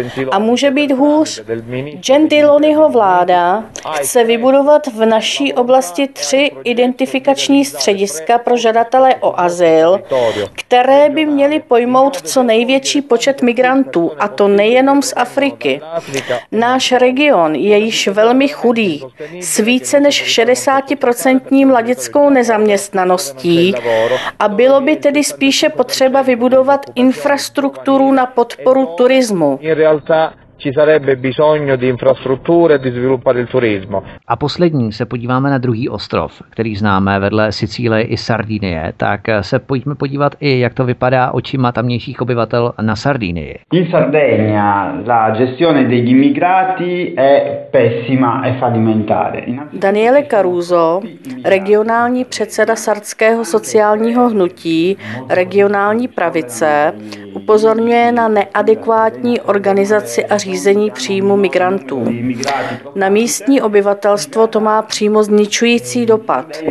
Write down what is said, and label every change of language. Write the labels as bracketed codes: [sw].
[cs] A může být hůř. Gentiloniho vláda chce vybudovat v naší oblasti 3 identifikační střediska pro žadatele o azyl, které by měly pojmout co největší počet migrantů, a to nejenom z Afriky. Náš region je již velmi chudý, s více než 60% mladickou nezaměstnaností, a bylo by tedy spíše potřeba vybudovat infrastrukturu na podporu turismu. [it] Ci sarebbe bisogno di infrastrutture di sviluppare il turismo. [cs] A poslední se podíváme na druhý ostrov, který známe vedle Sicílie i Sardinie, tak se pojďme podívat i jak to vypadá očima tamnějších obyvatel na Sardinii. [it] In Sardegna la gestione degli immigrati è pessima e fallimentare. [cs] Daniele Caruso, regionální předseda sardského sociálního hnutí regionální pravice, upozorňuje na neadekvátní organizaci a řízení příjmu migrantů. Na místní obyvatelstvo to má přímo zničující dopad.